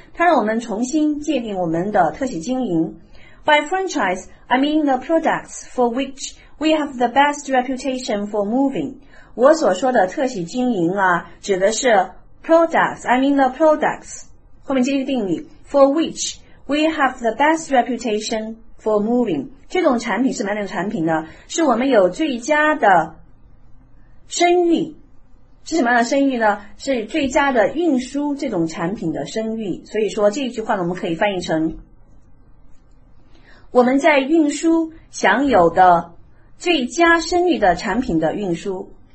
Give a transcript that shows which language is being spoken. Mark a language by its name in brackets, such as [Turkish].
[Chinese] 它让我们重新界定我们的特许经营。 [English] By franchise, I mean the products for which we have the best reputation for moving. [Chinese] 我所说的特许经营啊，指的是 [English] products, I mean the products. [Chinese] 后面接一个定语 [English] for which we have the best reputation for moving. [Chinese] 这种产品是哪种产品呢？是我们有最佳的声誉。是什么样的声誉呢？是最佳的运输这种产品的声誉。所以说这一句话呢，我们可以翻译成我们在运输享有的最佳声誉的产品的运输。